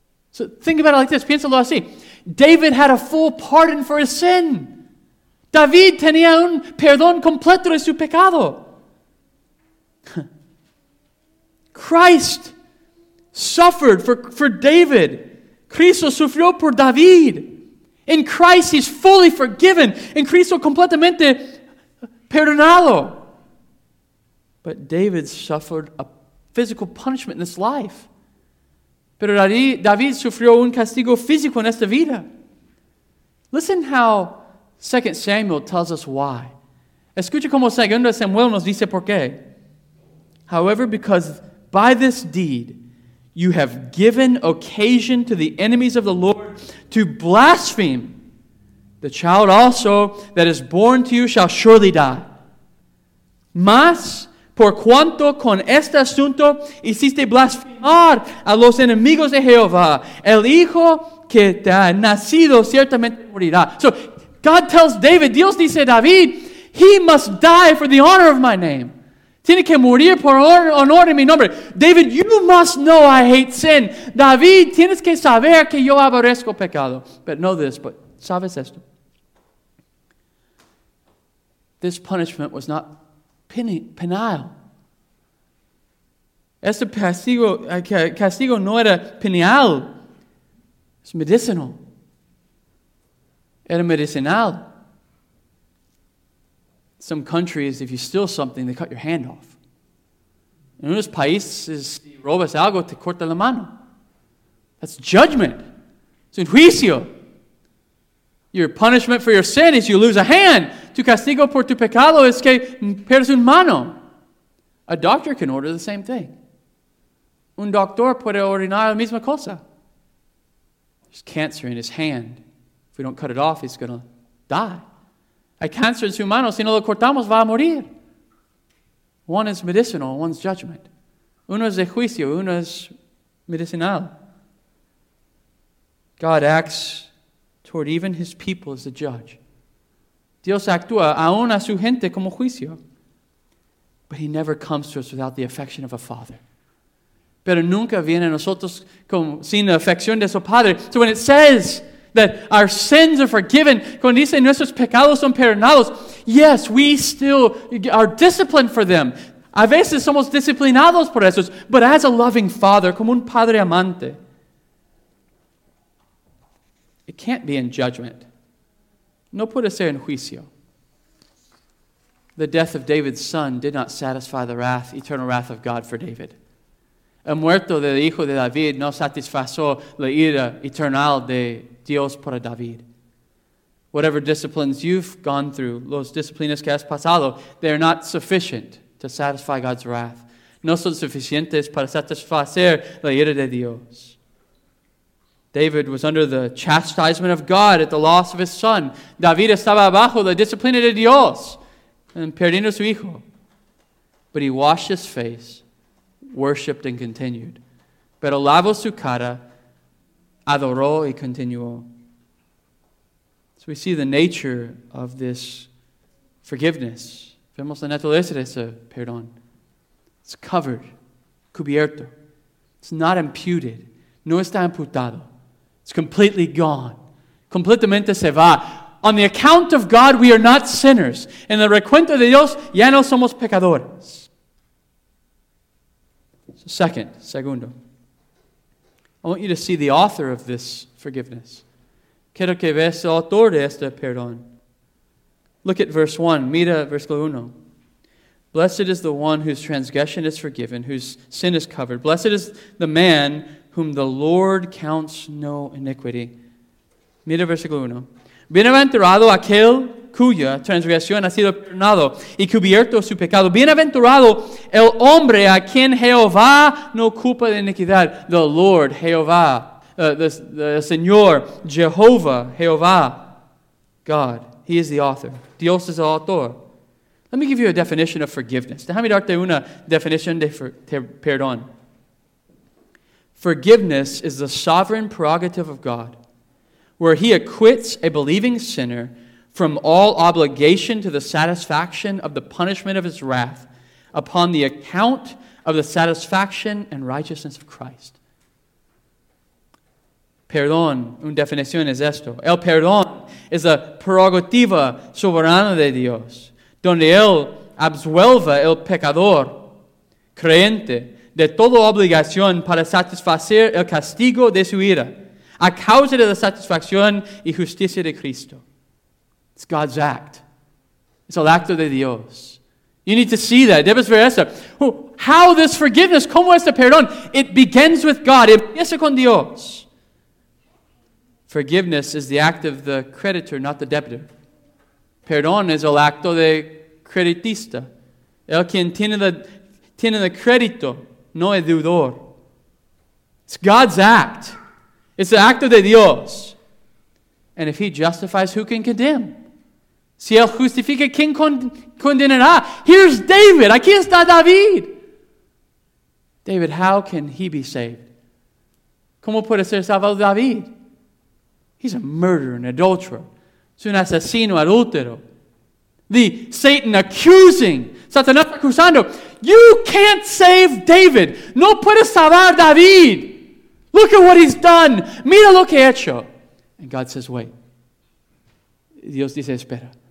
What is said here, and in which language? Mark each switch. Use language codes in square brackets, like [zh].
[en] So think about it like this. [es] Piénsalo así. [en] David had a full pardon for his sin. [es] David tenía un perdón completo de su pecado. [en] Christ suffered for David. [es] Cristo sufrió por David. [en] In Christ, he's fully forgiven. [es] In Cristo, completamente perdonado. [en] But David suffered a physical punishment in this life. [es] Pero David sufrió un castigo físico en esta vida. [en] Listen how 2 Samuel tells us why. [es] Escucha como 2 Samuel nos dice por qué. [en] However, because by this deed, you have given occasion to the enemies of the Lord to blaspheme. The child also that is born to you shall surely die. [es] Mas, por cuanto con este asunto hiciste blasfemar a los enemigos de Jehová, el hijo que te ha nacido ciertamente morirá. [en] So, God tells David, [es] Dios dice a David, [en] he must die for the honor of my name. [es] Tiene que morir por honor en mi nombre. [en] David, you must know I hate sin. [es] David, tienes que saber que yo aborrezco pecado. [en] But know this, but [es] sabes esto. [en] This punishment was not penal. [es] Este castigo no era penal. [en] It's medicinal. [es] Era medicinal. [en] Some countries, if you steal something, they cut your hand off. [es] En unos países, si robas algo, te corta la mano. [en] That's judgment. [es] Es un juicio. [en] Your punishment for your sin is you lose a hand. [es] Tu castigo por tu pecado es que pierdes una mano. [en] A doctor can order the same thing. [es] Un doctor puede ordenar la misma cosa. [en] There's cancer in his hand. If we don't cut it off, he's going to die. [es] Hay cáncer en su mano. Si no lo cortamos, va a morir. [en] One is medicinal, one's judgment. [es] Uno es de juicio, uno es medicinal. [en] God acts toward even his people as the judge. [es] Dios actúa aún a su gente como juicio. [en] But he never comes to us without the affection of a father. [es] Pero nunca viene a nosotros sin la afección de su padre. [en] So when it says that our sins are forgiven, [es] cuando dice nuestros pecados son perdonados, [en] yes, we still are disciplined for them. [es] A veces somos disciplinados por eso. [en] But as a loving father, [es] como un padre amante, [en] it can't be in judgment. [es] No puede ser en juicio. [en] The death of David's son did not satisfy the wrath, eternal wrath of God for David. [es] El muerto del hijo de David no satisfizó la ira eternal de Dios para David. [en] Whatever disciplines you've gone through, [es] los disciplinas que has pasado, [en] they are not sufficient to satisfy God's wrath. [es] No son suficientes para satisfacer la ira de Dios. [en] David was under the chastisement of God at the loss of his son. [es] David estaba bajo la disciplina de Dios en perdiendo su hijo. [en] But he washed his face, worshipped and continued. [es] Pero lavó su cara, adoró y continuó. [en] So we see the nature of this forgiveness. [es] Vemos la naturaleza de ese perdón. [en] It's covered, [es] cubierto. [en] It's not imputed. [es] No está imputado. [en] It's completely gone. [es] Completamente se va. [en] On the account of God, we are not sinners. [es] En el recuento de Dios, ya no somos pecadores. [en] So [es] segundo. [en] I want you to see the author of this forgiveness. [es] Quiero que veas el autor de este perdón. [en] Look at verse 1. [es] Mira versículo 1. [en] Blessed is the one whose transgression is forgiven, whose sin is covered. Blessed is the man whom the Lord counts no iniquity. [es] Mira versículo 1. Bienaventurado aquel cuya transgresión ha sido perdonado y cubierto su pecado. Bienaventurado el hombre a quien Jehová no culpa de iniquidad. [en] The Lord, Jehová. The Señor, Jehovah, Jehová, God. He is the author. [es] Dios es el autor. [en] Let me give you a definition of forgiveness. [es] Déjame darte una definición de perdón. [en] Forgiveness is the sovereign prerogative of God, where he acquits a believing sinner from all obligation to the satisfaction of the punishment of his wrath upon the account of the satisfaction and righteousness of Christ. [es] Perdón, una definición es esto. El perdón es la prerrogativa soberana de Dios, donde Él absuelve el pecador creyente de toda obligación para satisfacer el castigo de su ira a causa de la satisfacción y justicia de Cristo. [en] It's God's act. It's [es] el acto de Dios. [en] You need to see that. [es] Debes ver eso. [en] How this forgiveness, [es] como este perdón, [en] it begins with God. [es] It empieza con Dios. [en] Forgiveness is the act of the creditor, not the debtor. [es] Perdón es el acto de creditista. El quien tiene el crédito, no el deudor. [en] It's God's act. It's the act of the Dios. And if he justifies, who can condemn? [es] Si él justifica, ¿quién condenará? [en] Here's David. [es] Aquí está David. [en] David, how can he be saved? [es] ¿Cómo puede ser salvado David? [en] He's a murderer, an adulterer. [es] Es un asesino adúltero. [en] The Satan accusing. [es] Satanás acusando. [en] You can't save David. [es] No puedes salvar David. [en] Look at what he's done. [es] Mira lo que ha hecho. [en] And God says, wait. [es] Dios dice, espera.